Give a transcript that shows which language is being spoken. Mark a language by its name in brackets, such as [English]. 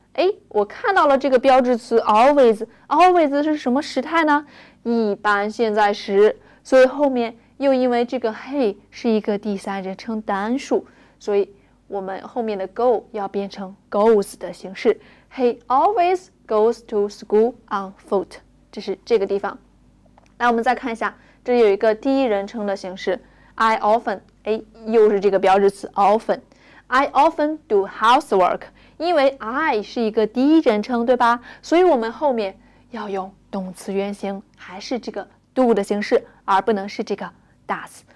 [Chinese] 哎，我看到了这个标志词 always， always 是什么时态呢？一般现在时。所以后面又因为这个 he 是一个第三人称单数，所以我们后面的 go 要变成 goes 的形式。 [English] He always goes to school on foot， [Chinese] 这是这个地方。来，我们再看一下，这有一个第一人称的形式 [English] I often， [Chinese] 哎，又是这个标志词 often。 [English] I often do housework， [Chinese] 因为 I 是一个第一人称，对吧？所以我们后面要用动词原形，还是这个 do 的形式，而不能是这个 does。